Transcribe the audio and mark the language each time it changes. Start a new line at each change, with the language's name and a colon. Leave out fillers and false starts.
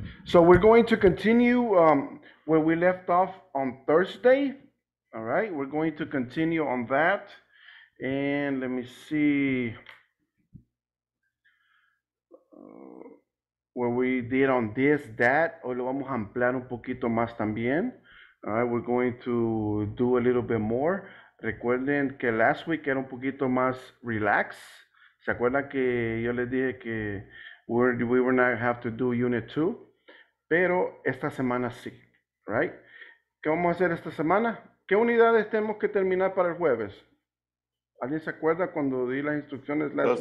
English: So we're going to continue where we left off on Thursday. All right, we're going to continue on that. And let me see what we did on this, that.
Spanish: Hoy lo vamos a ampliar un poquito más también.
English: All right, we're going to do a little bit more.
Spanish: Recuerden que
English: last week
Spanish: era un poquito más relax. ¿Se acuerdan que yo les dije que
English: we were not have to do unit 2?
Spanish: Pero esta semana sí, right? ¿Qué vamos a hacer esta semana? ¿Qué unidades tenemos que terminar para el jueves? ¿Alguien se acuerda cuando di las instrucciones last